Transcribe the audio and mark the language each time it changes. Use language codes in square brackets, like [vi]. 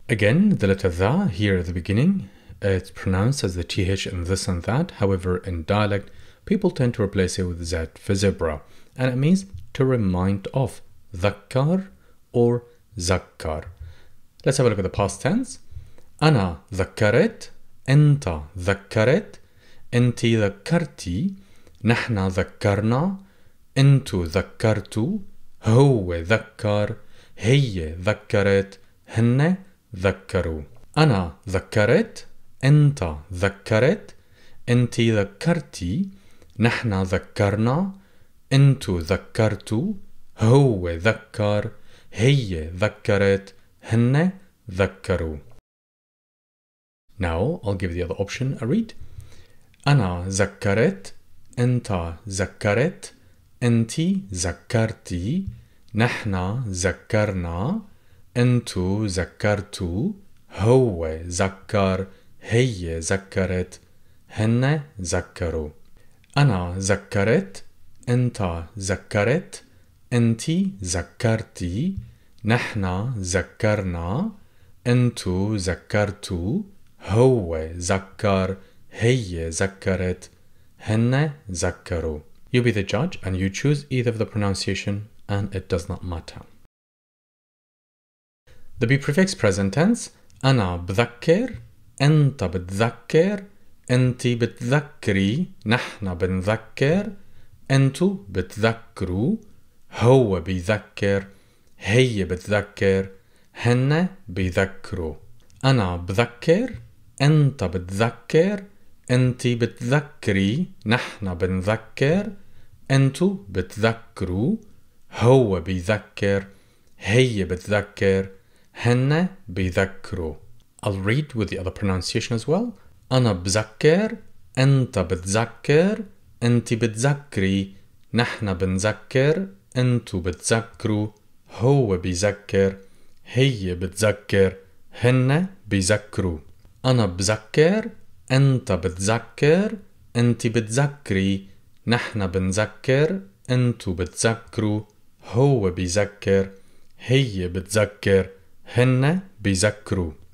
[en] Again, the letter ذا here at the beginning, it's pronounced as the TH in this and that. However, in dialect, people tend to replace it with Z for zebra and it means to remind of ذكر or ذكر. Let's have a look at the past tense. [ar] أنا ذكرت, أنت ذكرت, أنت ذكرتي, نحن ذكرنا, أنتو ذكرتو, هو ذكر, هي ذكرت, هن ذكروا. أنا ذكرت, أنت ذكرت, أنت ذكرتي, نحن ذكرنا, أنتو ذكرتو, هو ذكر, هي ذكرت, هن ذكروا. [en] Now I'll give the other option a read. [ar] أنا ذكرت, أنت ذكرت, أنت ذكرتي, نحن ذكرنا, أنتو ذكرتو, هو ذكر, هي ذكرت, هن ذكروا. أنا ذكرت, أنت ذكرت, أنت ذكرتي, نحن ذكرنا, أنتو ذكرتو, هو ذكر, هي ذكرت, هن ذكروا. [en] You be the judge and you choose either of the pronunciation and it does not matter. The be prefix present tense. [ar] أنا بذكر, أنت بتذكر, أنت بتذكري, نحن بنذكر, أنتو بتذكروا, هو بيذكر, هي بتذكر, هن بيذكروا. أنا بذكر, أنت بتذكر, أنت بتذكري, نحن بنذكر, أنتو بتذكروا, هو بيذكر, هي بتذكر, هن بيذكروا. [en] I'll read with the other pronunciation as well. [ar] أنا بذكر, أنت بتذكر, أنت بتذكري, نحن بنذكر, أنتو بتذكروا, هو بيذكر, هي بتذكر, هن بيذكروا. أنا بذكر, أنت بتذكر, أنت بتذكري, نحن بنذكر, أنتو بتذكروا, هو بيذكر, هي بتذكر, هن بيذكروا.